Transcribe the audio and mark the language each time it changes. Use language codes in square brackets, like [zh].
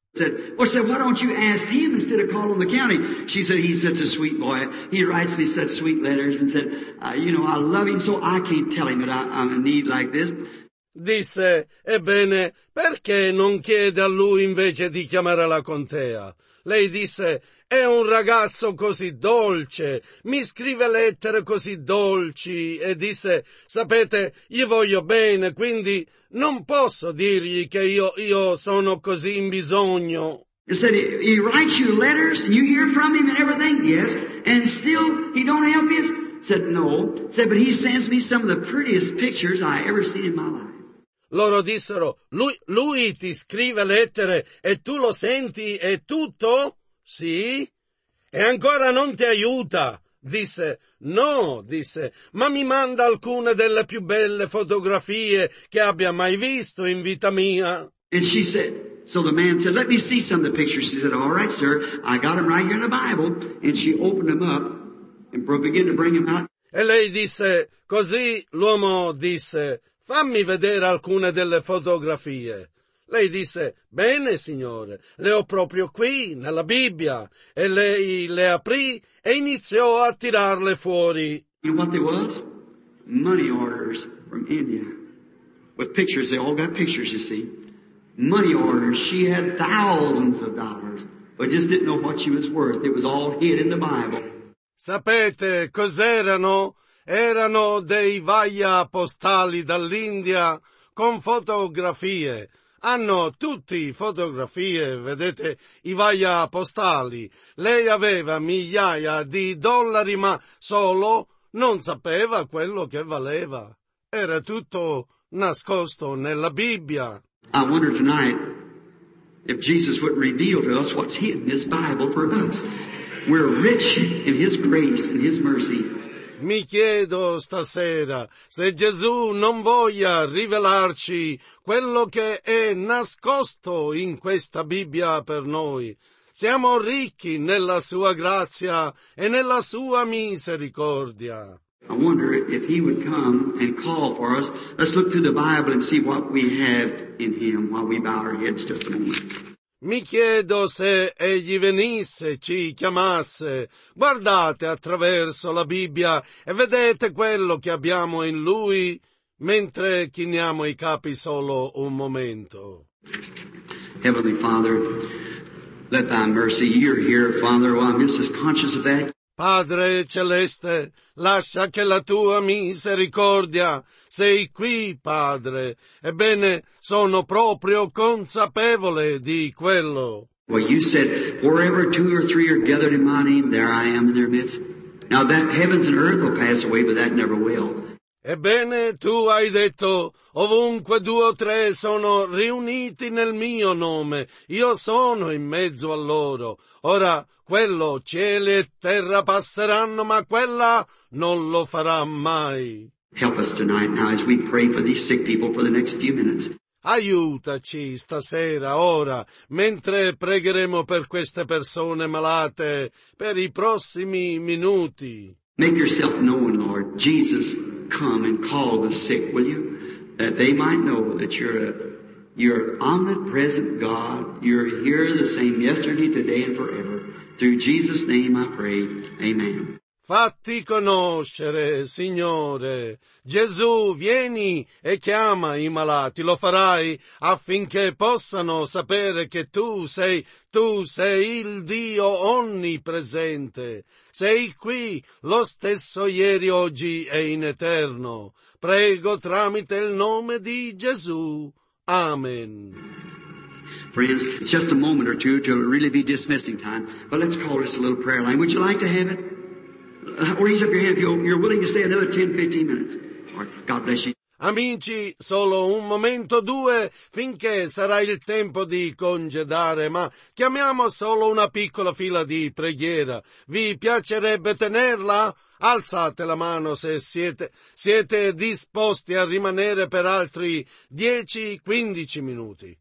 [en] Said, why don't you ask him instead of calling the county? She said, he's such a sweet boy. He writes me such sweet letters and said, you know, I love him, so I can't tell him that I'm in need like this. [it] Disse, ebbene, perché non chiede a lui invece di chiamare la contea? Lei disse... È un ragazzo così dolce, mi scrive lettere così dolci e disse, sapete, gli voglio bene, quindi non posso dirgli che io sono così in bisogno. [en] He said, he writes you letters and you hear from him and everything, yes, and still he don't help you? Said, no. Said, but he sends me some of the prettiest pictures I ever seen in my life. [it] Loro dissero, lui ti scrive lettere e tu lo senti e tutto? Sì? E ancora non ti aiuta? Disse, no, disse, ma mi manda alcune delle più belle fotografie che abbia mai visto in vita mia. [en] And she said, so the man said, let me see some of the pictures. She said, all right, sir, I got them right here in the Bible. And she opened them up and began to bring them out. [it] E lei disse, così l'uomo disse, fammi vedere alcune delle fotografie. Lei disse, bene, signore, le ho proprio qui, nella Bibbia. E lei le aprì e iniziò a tirarle fuori. [en] You know what they was? Money orders from India. With pictures, they all got pictures, you see. Money orders, she had thousands of dollars, but just didn't know what she was worth. It was all hid in the Bible. [it] Sapete cos'erano? Erano dei vaglia postali dall'India con fotografie. Hanno tutti fotografie, vedete, i vaglia postali. Lei aveva migliaia di dollari, ma solo non sapeva quello che valeva. Era tutto nascosto nella Bibbia. [en] I wonder tonight if Jesus would reveal to us what's hidden in this Bible for us. We're rich in His grace and His mercy. [it] Mi chiedo stasera se Gesù non voglia rivelarci quello che è nascosto in questa Bibbia per noi. Siamo ricchi nella sua grazia e nella sua misericordia. [en] I wonder if he would come and call for us. Let's look through the Bible and see what we have in him while we bow our heads just a moment. [it] Mi chiedo se egli venisse, ci chiamasse. Guardate attraverso la Bibbia e vedete quello che abbiamo in lui mentre chiniamo i capi solo un momento. [en] Heavenly Father, let thy mercy, you're here, Father, while I'm just conscious of that. [it] Padre celeste, lascia che la tua misericordia sei qui, Padre. Ebbene, sono proprio consapevole di quello. [en] Well, you said, wherever two or three are gathered in my name, there I am in their midst. Now that heavens and earth will pass away, but that never will. [it] Ebbene, tu hai detto, ovunque due o tre sono riuniti nel mio nome, io sono in mezzo a loro. Ora, quello cielo e terra passeranno, ma quella non lo farà mai. [en] Help us tonight now as we pray for these sick people for the next few minutes. [it] Aiutaci stasera, ora, mentre pregheremo per queste persone malate, per i prossimi minuti. [en] Make yourself known, Lord Jesus. Come and call the sick, will you? That they might know that you're omnipresent God. You're here the same yesterday, today, and forever. Through Jesus' name I pray. Amen. [it] Fatti conoscere, Signore. Gesù, vieni e chiama i malati. Lo farai affinché possano sapere che tu sei il Dio onnipresente. Sei qui lo stesso ieri, oggi e in eterno. Prego tramite il nome di Gesù. Amen. [en] friends. It's just a moment or two till it really be dismissing time. But let's call this a little prayer line. Would you like to have it? Raise up your hand if you're willing to stay another 10-15 minutes. God bless you. [it] Amici, solo un momento o due finché sarà il tempo di congedare, ma chiamiamo solo una piccola fila di preghiera. Vi piacerebbe tenerla? Alzate la mano se siete disposti a rimanere per altri 10-15 minuti.